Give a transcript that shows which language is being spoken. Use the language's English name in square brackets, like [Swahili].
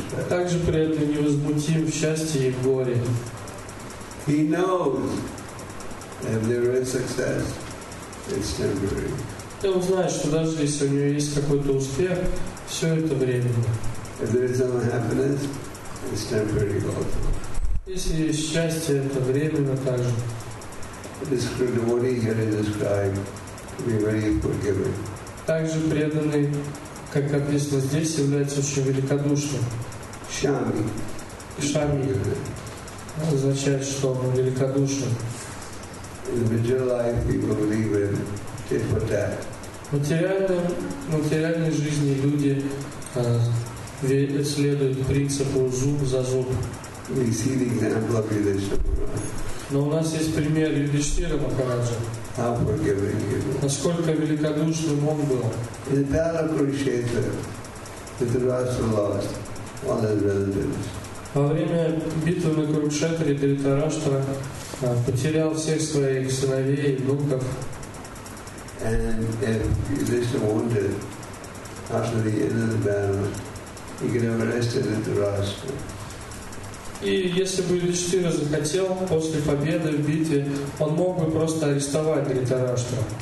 [Russian] Также при этом невозмутим в счастье и в горе. [English] He knows if there is success, it's temporary. [Russian] И он знает, что даже если у него есть какой-то успех, все это временно. [English] If there is some happiness, it's temporary also. [Russian] Если есть счастье, это временно также. [English] This devotee here is described to be very forgiving. [Russian] Также преданный, как описано здесь, является очень великодушным. Шами. Шами. означает, что он великодушен. В материальной жизни люди следуют принципу зуб за зуб. [English] We see the example of Yudhishthira. [Russian] Но у нас есть пример Юдиштира Махараджа. [English] How forgiving he was. [Russian] Насколько великодушным он был. [English] In the battle of Kurukshetra, Dhritarashtra lost one of his relatives. [Russian] Во время битвы на Курукшетре Дхритарашта потерял всех своих сыновей и внуков. [English] And if Yudhishthira wanted, after the end of the battle, he could have arrested Dhritarashtra. [Russian] И если бы Юдиштира захотел после победы в битве, он мог бы просто арестовать Дхритараштру.